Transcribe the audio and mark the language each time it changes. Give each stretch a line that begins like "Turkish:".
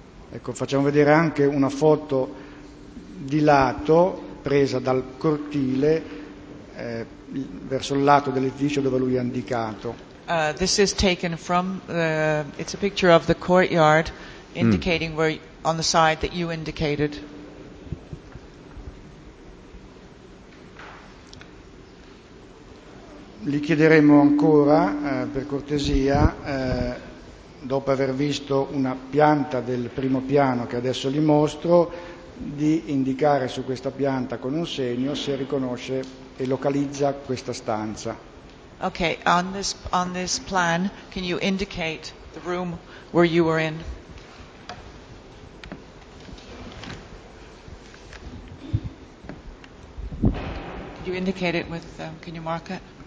Italian: Ecco, facciamo vedere anche una foto di lato presa dal cortile. Verso il lato dell'edificio dove lui ha indicato.
English: This is taken from the, it's a picture of the courtyard indicating where on the side that you indicated.
Italian: Gli chiederemo ancora per cortesia dopo aver visto una pianta del primo piano che adesso gli mostro di indicare su questa pianta con un segno se riconosce e localizza questa stanza.
English: Okay, on this plan, can you indicate the room where you were in? you indicate it with, can you mark it?